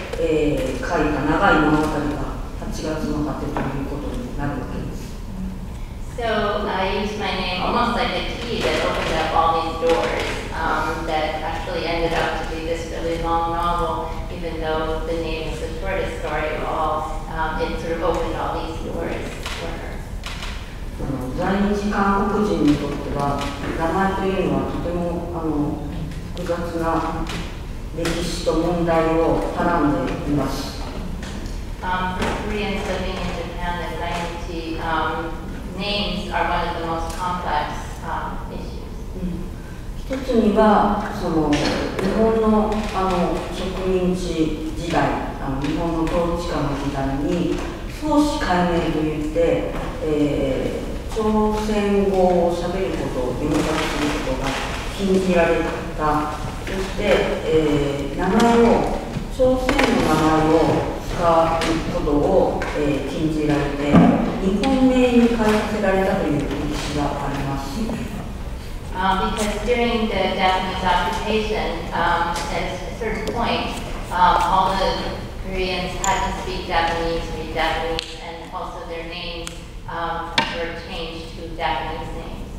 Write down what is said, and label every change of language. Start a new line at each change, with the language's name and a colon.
Japanese: 書いた長い物語が8月の果てということになるわけです。
English: So I used my name almost like a key that opened up all these doors、that actually ended up to be this really long novel, even though the name is the shortest story of all.、it sort of opened all these doors for her.
Japanese: 在日韓国人にとっては名前というのはとても複雑な歴史と問題をはらんでいます。
English: For Koreans living in Japan, the 在日 names are one of the most complex issues.
Japanese: 一つにはその日本の植民地時代、日本の統治下の時代に創始改名といって、朝鮮語を喋ることを勉強することが禁じられた。そして、名前を朝鮮の名前を使うことを、禁じられて日本名に変えさせられたという歴史があります。
English: Because during the Japanese occupation, at a certain point, all the Koreans had to speak Japanese, read Japanese, and also their names were changed to Japanese names.